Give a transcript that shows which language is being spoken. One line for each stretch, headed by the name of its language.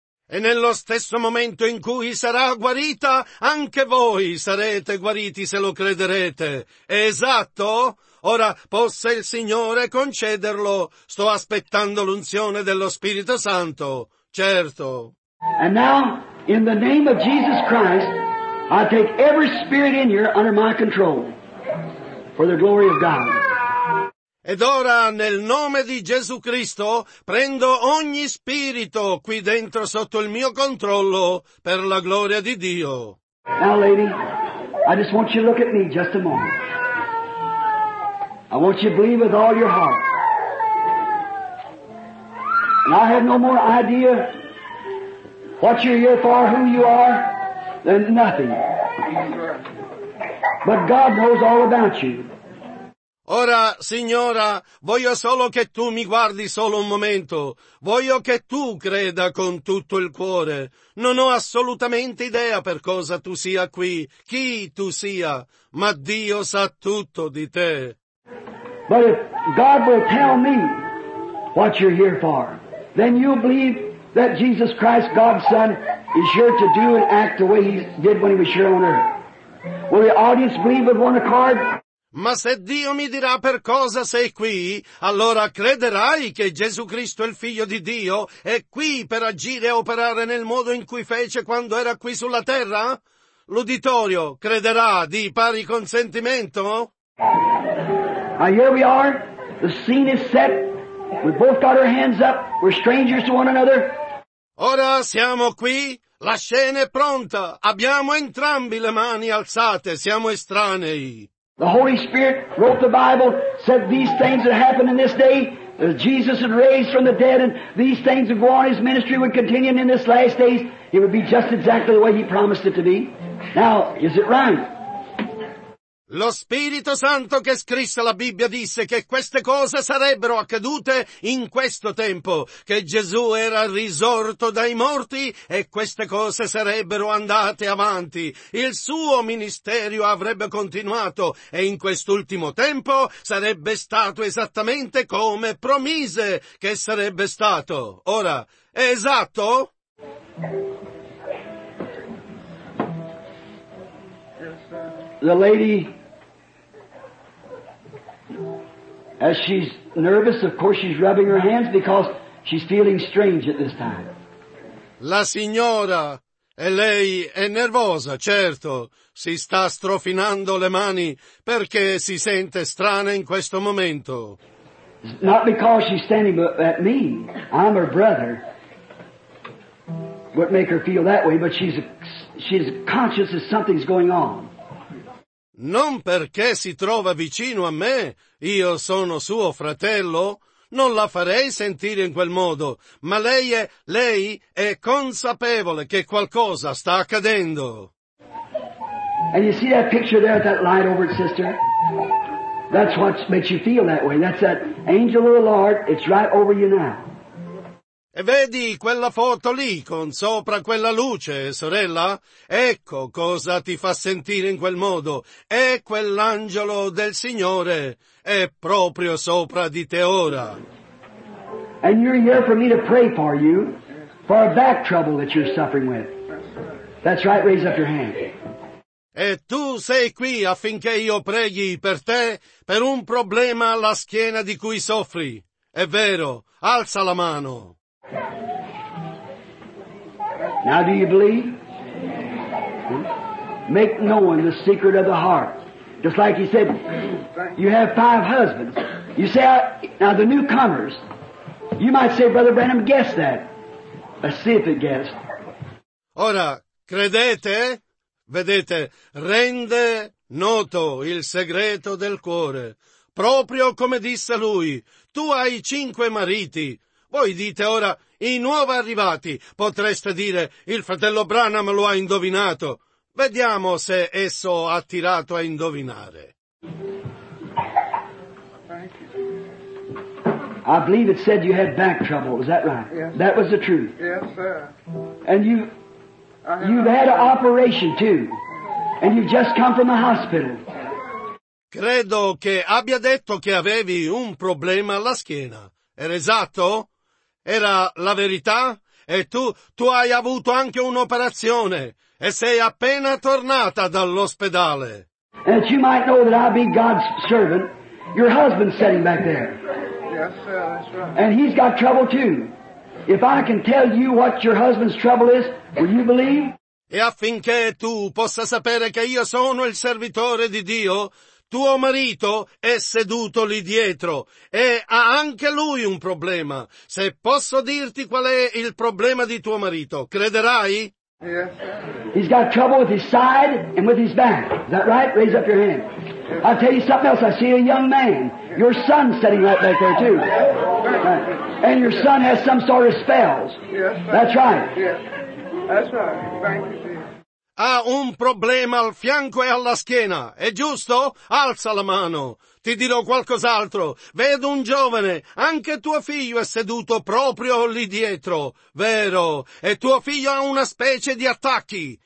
Italian: E nello stesso momento in cui sarà guarita, anche voi sarete guariti se lo crederete. Esatto? Ora, possa il Signore concederlo. Sto aspettando l'unzione dello Spirito Santo. Certo.
English: And now, in the name of Jesus Christ, I take every spirit in here under my control for the glory of God.
Italian: Ed ora, nel nome di Gesù Cristo, prendo ogni spirito qui dentro sotto il mio controllo per la gloria di Dio.
English: Now, lady, I just want you to look at me just a moment. I want you to believe with all your heart. And I have no more idea what you're here for, who you are, than nothing. But God knows all about you.
Italian: Ora, signora, voglio solo che tu mi guardi solo un momento. Voglio che tu creda con tutto il cuore. Non ho assolutamente idea per cosa tu sia qui, chi tu sia, ma Dio sa tutto di te.
English: But if God will tell me what you're here for, then you believe that Jesus Christ, God's Son, is here to do and act the way he did when he was here on earth. Will the audience believe with one accord?
Italian: Ma se Dio mi dirà per cosa sei qui, allora crederai che Gesù Cristo, il Figlio di Dio, è qui per agire e operare nel modo in cui fece quando era qui sulla terra? L'uditorio crederà di pari consentimento?
English: Now here we are, the scene is set, We've both got our hands up. We're strangers to one another.
Italian: Ora siamo qui. La scena è pronta. Abbiamo entrambi le mani alzate. Siamo estranei.
English: The Holy Spirit wrote the Bible, said these things that happened in this day, that Jesus had raised from the dead, and these things would go on. His ministry would continue in this last days. It would be just exactly the way He promised it to be. Now, is it right?
Italian: Lo Spirito Santo che scrisse la Bibbia disse che queste cose sarebbero accadute in questo tempo, che Gesù era risorto dai morti e queste cose sarebbero andate avanti. Il suo ministero avrebbe continuato e in quest'ultimo tempo sarebbe stato esattamente come promise che sarebbe stato. Ora, è esatto?
English: The lady, as she's nervous, of course she's rubbing her hands because she's feeling strange at this time.
Italian: La signora, e lei è nervosa, certo, si sta strofinando le mani perché si sente strana in questo momento.
English: Not because she's standing at me, I'm her brother. What make her feel that way, but she's conscious that something's going on.
Italian: Non perché si trova vicino a me, io sono suo fratello, non la farei sentire in quel modo, ma lei è consapevole che qualcosa sta accadendo.
English: And you see that picture there at that light over it, sister? That's what makes you feel that way. That's that angel of the Lord, it's right over you now.
Italian: E vedi quella foto lì, con sopra quella luce, sorella? Ecco cosa ti fa sentire in quel modo. È quell'angelo del Signore. È proprio sopra di te ora.
English: And you're here for me to pray for you, for a back trouble that you're suffering with. That's right, raise up your hand.
Italian: E tu sei qui affinché io preghi per te, per un problema alla schiena di cui soffri. È vero, alza la mano.
English: Now do you believe? Make known the secret of the heart. Just like he said, you have five husbands. You say, now the newcomers, you might say, Brother Branham, guess that. Let's see if it guessed.
Italian: Ora, credete? Vedete, rende noto il segreto del cuore. Proprio come disse lui, tu hai cinque mariti. Voi dite ora, i nuovi arrivati, potreste dire, il fratello Branham lo ha indovinato. Vediamo se esso ha tirato a indovinare.
English: I believe it said you had back trouble, is that right? Yes. That was the truth. Yes, sir. And you've had an operation too, and you've just come from a hospital.
Italian: Credo che abbia detto che avevi un problema alla schiena. Era esatto? Era la verità? E tu hai avuto anche un'operazione e sei appena tornata dall'ospedale.
English: And you might know that I be God's servant. Your husband's sitting back there. Yes, sir, that's right. And he's got trouble too. If I can tell you what your husband's trouble is, will you believe?
Italian: E affinché tu possa sapere che io sono il servitore di Dio, tuo marito è seduto lì dietro e ha anche lui un problema. Se posso dirti qual è il problema di tuo marito, crederai?
English: Yes. He's got trouble with his side and with his back. Is that right? Raise up your hand. I'll tell you something else. I see a young man. Your son's sitting right back there too. Right. And your son has some sort of spells. Yes, sir. That's right. Yes. That's right. Thank you.
Italian: Ha un problema al fianco e alla schiena, è giusto? Alza la mano. Ti dirò qualcos'altro. Vedo un giovane, anche tuo figlio è seduto proprio lì dietro. Vero? E tuo figlio ha una specie di attacchi.